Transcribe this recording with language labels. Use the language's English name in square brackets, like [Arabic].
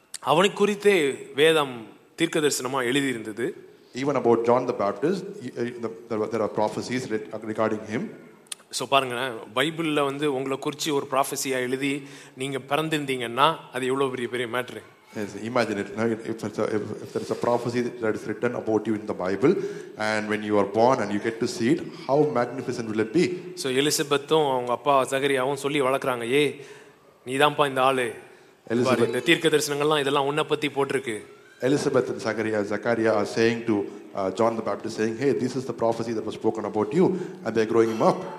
[Tamil] அவனை குறித்து வேதம் தீர்க்கதரிசனமா எழுதி இருந்தது. [English] Even about John the Baptist, there are prophecies regarding him. [Tamil] So பாருங்க, பைபிள்ல வந்து உங்களை குறிச்சி ஒரு ப்ராஃபஸியா எழுதி நீங்க பிறந்திருந்தீங்கன்னா அது எவ்வளவு பெரிய matter. [English] Yes, imagine it. Now, if there is a prophecy that is written about you in the Bible, and when you are born and you get to see it, how magnificent will it be? [Tamil] So எலிசபெத்தும் அவங்க அப்பா சகரியாவும் சொல்லி வளர்க்குறாங்க, ஏ நீதான்பா இந்த ஆளு, இந்த தீர்க்க தரிசனங்கள்லாம் இதெல்லாம் உன்னை பத்தி போட்டிருக்கு. [English] Elizabeth and Zachariah are saying to John the Baptist, saying, hey, this is the prophecy that was spoken about you, and they're growing him up.